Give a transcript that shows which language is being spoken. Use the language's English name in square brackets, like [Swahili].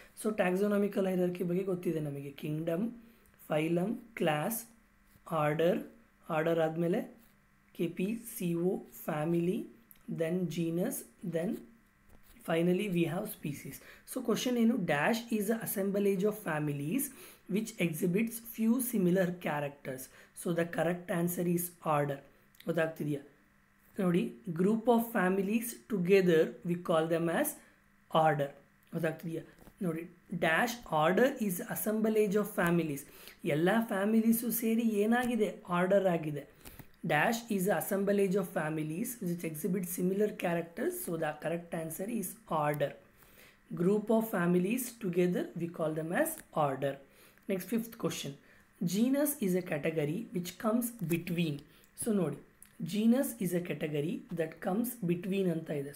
[English] So taxonomical hierarchy [Kannada] bage gottide namage, [English] kingdom, phylum, class, order, order [Kannada] admele [English] KPCO family, then genus, then finally we have species. So question [Kannada] enu, [English] dash is a assemblage of families which exhibits few similar characters. So the correct answer is order. [Kannada] ಗೊತ್ತಾಗ್ತಿದೆಯಾ ನೋಡಿ, [English] Group of families together we call them as order. [Kannada] ಗೊತ್ತಾಗ್ತಿದೆಯಾ ನೋಡಿ, [English] dash order is assemblage of families, [Kannada] ಎಲ್ಲ families ಸೇರಿ ಏನಾಗಿದೆ, order ಆಗಿದೆ. [English] Dash is assemblage of families which exhibit similar characters. So the correct answer is order. Group of families together we call them as order. Next 5th question, genus is a category which comes between. So [Kannada] ನೋಡಿ, [English] genus is a category that comes between [Kannada] anta ide.